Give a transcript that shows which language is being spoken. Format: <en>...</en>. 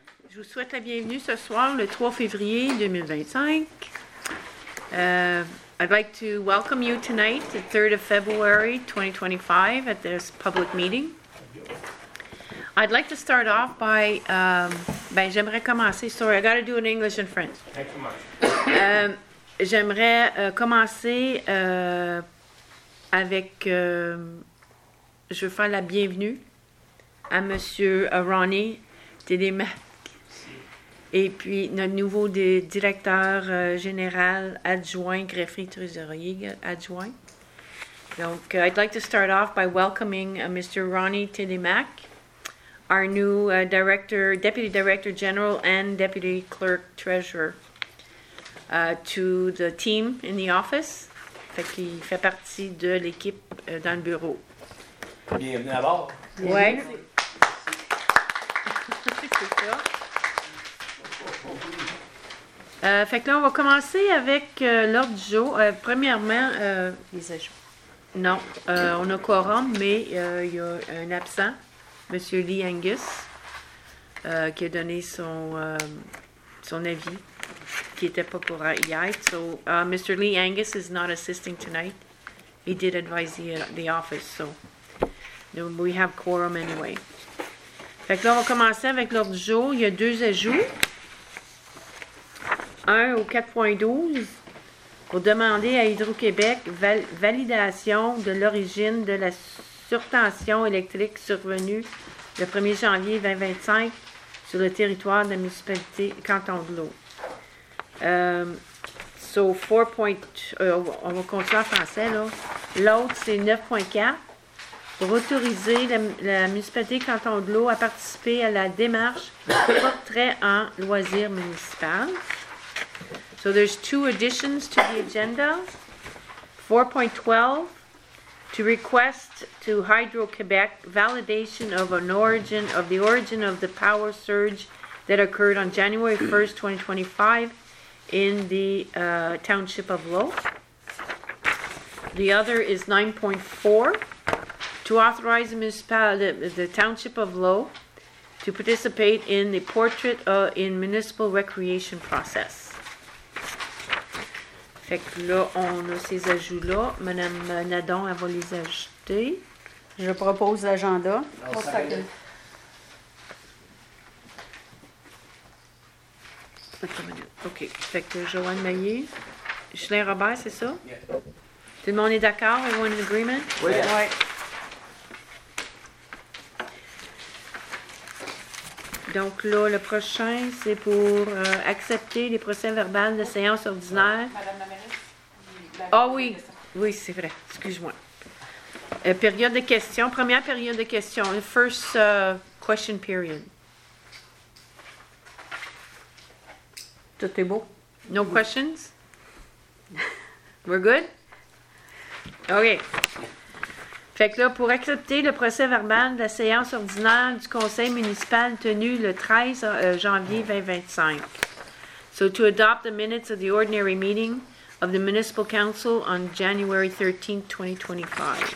<fr>Je vous souhaite la bienvenue ce soir, le 3 février 2025.</fr> <en>I'd like to welcome you tonight, the 3rd of February 2025, at this public meeting. I'd like to start off by,</en> <fr>j'aimerais commencer,</fr> <en>sorry, I got to do it in English and French. Thank you much.</en> <fr>J'aimerais commencer avec, je veux faire la bienvenue à M. Ronnie Télémac, et puis notre nouveau directeur général adjoint, greffier trésorier adjoint. Donc,</fr> <en>I'd like to start off by welcoming Mr. Ronnie Télémac, our new director, deputy director general and deputy clerk treasurer, to the team in the office.</en> <fr>Fait qu'il fait partie de l'équipe dans le bureau. Bienvenue à bord. Ouais. Fait que là, on va commencer avec l'ordre du jour. Premièrement, on a quorum, mais il y a un absent, M. Lee Angus, qui a donné son, son avis, qui n'était pas pour hier.</fr> <en>So, Mr. Lee Angus is not assisting tonight. He did advise the office, so we have quorum anyway.</en> <fr>Fait que là, on va commencer avec l'ordre du jour. Il y a deux ajouts. Un au 4.12 pour demander à Hydro-Québec validation de l'origine de la surtension électrique survenue le 1er janvier 2025 sur le territoire de la municipalité canton de l'eau. On va continuer en français, là. L'autre, c'est 9.4. pour autoriser la municipalité canton de l'eau à participer à la démarche portrait en loisirs municipal.</fr> <en>So there's two additions to the agenda. 4.12, to request to Hydro-Québec validation of the origin of the power surge that occurred on January 1st, 2025 in the township of Lowe. The other is 9.4, to authorize the municipality, the township of Lowe, to participate in the portrait in municipal recreation process.</en> <fr>Fait que là, on a ces ajouts-là. Madame Nadon, elle va les ajouter. Je propose l'agenda. Non, OK. Fait que Joanne Maillé, Chelin Robert, c'est ça? Oui. Tout le monde est d'accord?</fr> <en>Everyone in agreement?</en> <fr>Oui.</fr> <en>Yeah.</en> <fr>Ouais. Donc là, le prochain, c'est pour accepter les procès-verbales de séance ordinaire. Oui, c'est vrai. Excuse-moi. Période de questions. Première période de questions.</fr> <en>First question period.</en> <fr>Tout est beau.</fr> <en>No questions? We're good? OK.</en> <fr>Fait que là, pour accepter le procès verbal de la séance ordinaire du conseil municipal tenu le 13 janvier 2025.</fr> <en>So, to adopt the minutes of the ordinary meeting of the Municipal Council on January 13, 2025.</en>